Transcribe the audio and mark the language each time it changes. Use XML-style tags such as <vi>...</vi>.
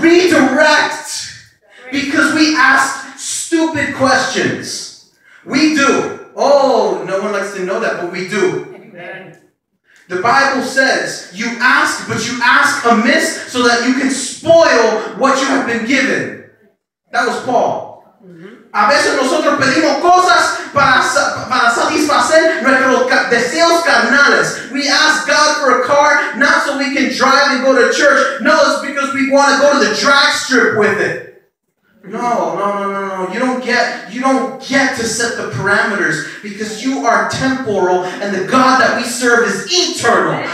<en>Redirect, because we ask stupid questions. We do. Oh, no one likes to know that, but we do. The Bible says, you ask, but you ask amiss so that you can spoil what you have been given. That was Paul.</en> <es>Mm-hmm. A veces nosotros pedimos cosas para satisfacer nuestros deseos carnales.</es> <en>We ask God for a car, not so we can drive and go to church. No, it's because we want to go to the drag strip with it. No. You don't get to set the parameters because you are temporal and the God that we serve is eternal.</en>